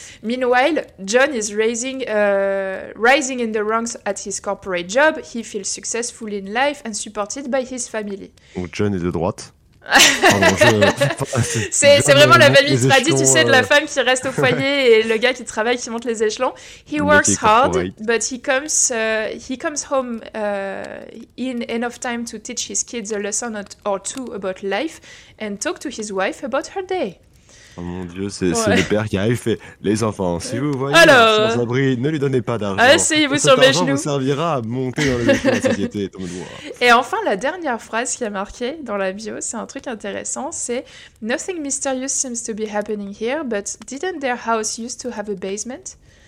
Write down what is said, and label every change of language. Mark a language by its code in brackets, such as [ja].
[en] Meanwhile, John is rising in the ranks at his corporate job. He feels successful in life and supported by his family. [fr] Donc, John est de droite. c'est vraiment la famille tradie, tu sais, de la femme qui reste au foyer et le gars qui travaille, qui monte les échelons. [en] He works hard, but he comes home in enough time to teach his kids a lesson or two about life and talk to his wife about her day. [fr] Oh mon dieu, c'est le père qui arrive et fait « Les enfants, si vous voyez sans abri, ne lui donnez pas d'argent. Asseyez-vous sur mes genoux. Cet argent vous servira à monter dans les échelons de la société. » Et enfin, la dernière phrase qui a marqué dans la bio, c'est un truc intéressant, c'est « [en] Nothing mysterious seems to be happening here, but didn't their house used to have a basement ?»